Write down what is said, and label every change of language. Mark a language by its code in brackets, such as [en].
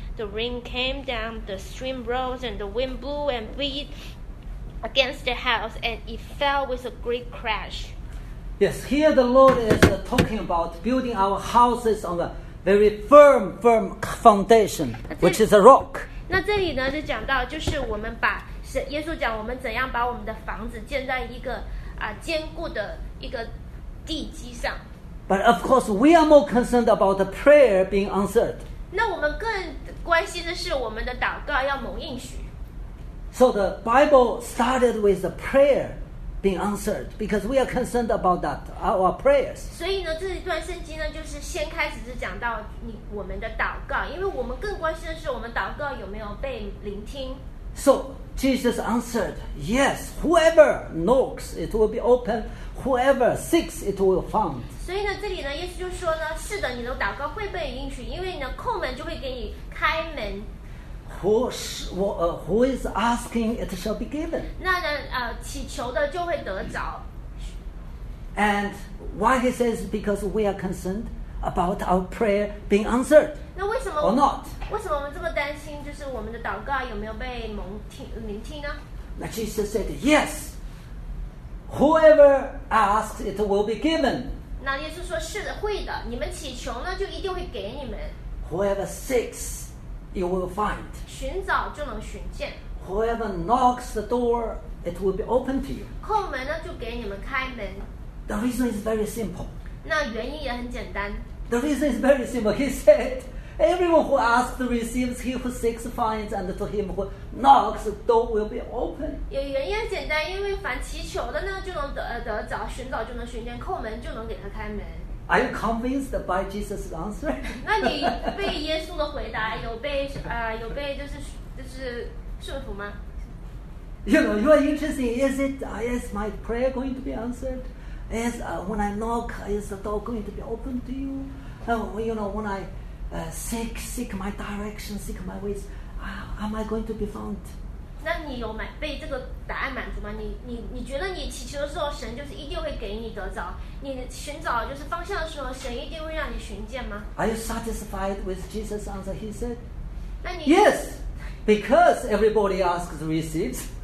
[en] The rain came down, the stream rose, and the wind blew and beat against the house, and it fell with a great crash. Yes, here the Lord is talking about building our houses on a very firm, firm foundation, which is a rock. [zh] 那这里呢，就讲到就是我们把耶稣讲我们怎样把我们的房子建在一个坚固的一个地基上。 [en] But of course, we are more concerned about the prayer being answered. [zh] 那我们更关心的是我们的祷告要蒙应许。 [en] So the Bible started with the prayer being answered because we are concerned about that, our prayers. [zh] 所以呢，这一段圣经呢，就是先开始是讲到你我们的祷告，因为我们更关心的是我们祷告有没有被聆听。 [en] So Jesus answered, "Yes, whoever knocks, it will be open. Whoever seeks, it will find." [zh] 所以呢，这里呢，耶稣就说呢，是的，你的祷告会被应许，因为呢，叩门就会给你开门。 [en] Who is asking, it shall be given. [zh] 那呢，祈求的就会得着。 [en] And why he says, because we are concerned about our prayer being answered. [zh] 那为什么 [en] or not? [zh] 为什么我们这么担心，就是我们的祷告有没有被聆听呢？ [en] Now Jesus said, yes. Whoever asks, it will be given. [zh] 那耶稣说是的，会的。你们祈求呢，就一定会给你们。 [en] Whoever seeks. You will find. [zh] 寻找就能寻见。 [en] Whoever knocks the door, it will be open to you. [zh] 叩门呢，就给你们开门。 [en] The reason is very simple. [zh] 那原因也很简单。 [en] The reason is very simple. He said, "Everyone who asks receives; he who seeks finds; and to him who knocks, the door will be open." [zh] 也原因很简单，因为凡祈求的呢，就能得着；寻找就能寻见；叩门就能给他开门。 [en] Are you convinced by Jesus' answer? [zh] 那你被耶稣的回答有被就是顺服吗？ [en] You know, you are interesting. Is my prayer going to be answered? Is when I knock, is the door going to be open to you? You know, when I seek my direction, seek my ways, am I going to be found? [zh] 那你有被这个答案满足吗？你觉得你祈求的时候，神就是一定会给你得着？你寻找就是方向的时候，神一定会让你寻见吗 [en] ？Are you satisfied with Jesus' answer? He said. [zh] 那你 [en] Yes, because everybody asks, receives.